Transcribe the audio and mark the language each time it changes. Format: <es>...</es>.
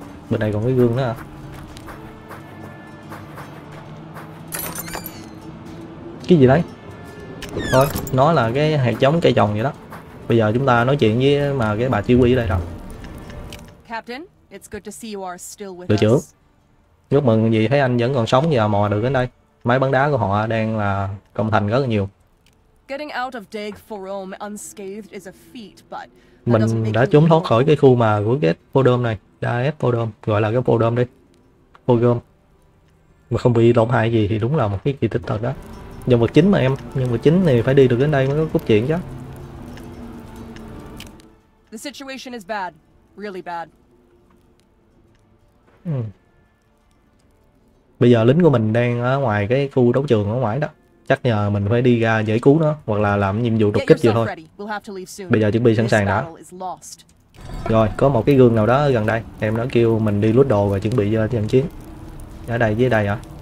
<vi>Bên này còn cái gương nữa à. Cái gì đấy? Thôi, nó là cái hạt giống cây trồng vậy đó. Bây giờ chúng ta nói chuyện với mà cái bà chỉ huy ở đây rồi.</vi> <en>Captain, it's good to see you are still with us.</en> <vi>Chúc mừng gì thấy anh vẫn còn sống và mò được đến đây. Máy bắn đá của họ đang là công thành rất là nhiều.</vi> <en>Getting out of Dig for Rome unscathed is a feat, but</en> <vi>mình đã trốn thoát khỏi cái khu mà của cái podium này, đã ép podium, gọi là cái podium đi. Podium. Mà không bị tổn hại gì thì đúng là một cái kỳ tích thật đó. Nhân vật chính mà em, nhân vật chính thì phải đi được đến đây mới có cốt truyện chứ.</vi> <en>The situation is bad, really bad.</en> <vi>Bây giờ lính của mình đang ở ngoài cái khu đấu trường ở ngoài đó. Chắc nhờ mình phải đi ra giải cứu nó hoặc là làm nhiệm vụ đột kích gì thôi. Bây giờ chuẩn bị sẵn sàng đã. Rồi, có một cái gương nào đó gần đây. Em đã kêu mình đi loot đồ và chuẩn bị cho trận chiến. Ở đây với đây hả?</vi>